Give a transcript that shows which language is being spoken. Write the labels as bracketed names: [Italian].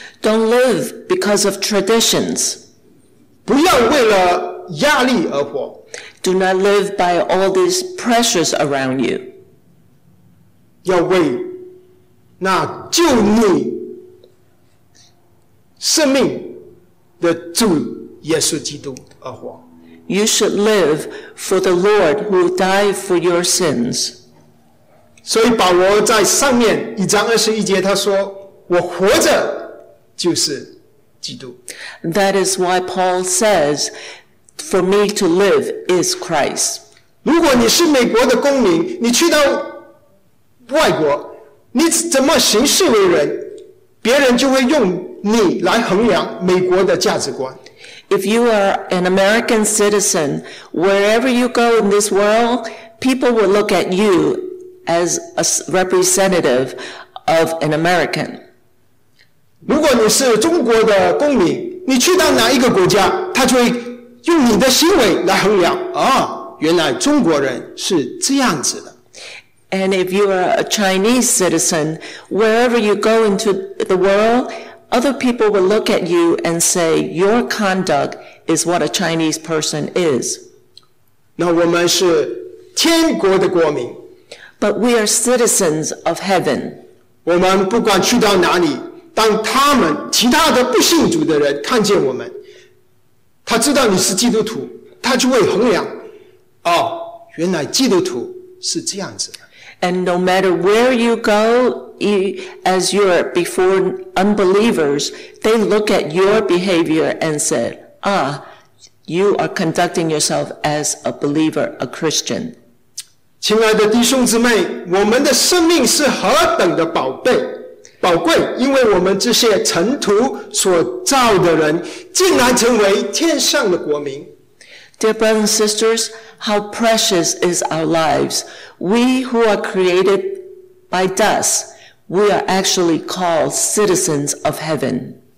[English] Don't live because of traditions. [Chinese] 不要为了压力而活。 [English] Do not live by all these pressures around you. [Chinese] 要为那救你生命的主耶稣基督而活。 [English] You should live for the Lord who died for your sins. [Chinese] 所以保罗在上面一章二十一节他说我活着就是基督。 [English] That is why Paul says, for me to live is Christ. [Chinese] 如果你是美国的公民，你去到外国，你怎么行事为人，别人就会用你来衡量美国的价值观。 [English] If you are an American citizen, wherever you go in this world, people will look at youas a representative of an American. [Chinese] 如果你是中国的公民，你去到哪一个国家，他就会用你的行为来衡量，哦，原来中国人是这样子的。 [English] And if you are a Chinese citizen, wherever you go into the world, other people will look at you and say, your conduct is what a Chinese person is. [Chinese] 那我们是天国的国民。 [English] But we are citizens of heaven. [Chinese] 我们不管去到哪里，当他们其他的不信主的人看见我们，他知道你是基督徒，他就会衡量，哦，原来基督徒是这样子的。 [English] And no matter where you go, as you're before unbelievers, they look at your behavior and said, ah, you are conducting yourself as a believer, a Christian. [Chinese] 亲爱的弟兄姊妹，我们的生命是何等的宝贝、宝贵，因为我们这些尘土所造的人，竟然成为天上的国民。 [English] Dear brothers and sisters, how precious is our lives? We who are created by dust, we are actually called citizens of heaven.